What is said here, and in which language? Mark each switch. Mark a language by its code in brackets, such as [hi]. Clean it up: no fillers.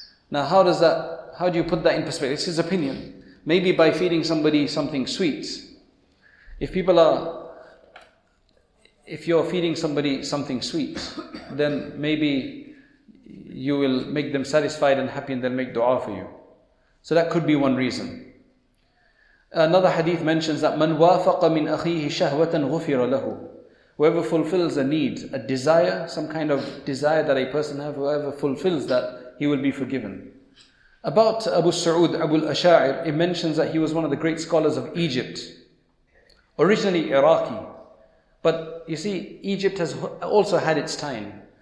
[en] Now how do you put that in perspective? It's his opinion. Maybe by feeding somebody something sweet, if you're feeding somebody something sweet, then maybe you will make them satisfied and happy and they'll make dua for you. So that could be one reason. Another hadith mentions that [ar] مَنْ وَافَقَ مِنْ أَخِيهِ شَهْوَةً غُفِرَ لَهُ. [en] Whoever fulfills a need, a desire, some kind of desire that a person has, whoever fulfills that, he will be forgiven. About Abu Sa'ud, Abu al-Asha'ir, it mentions that he was one of the great scholars of Egypt. Originally Iraqi. But you see, Egypt has also had its time.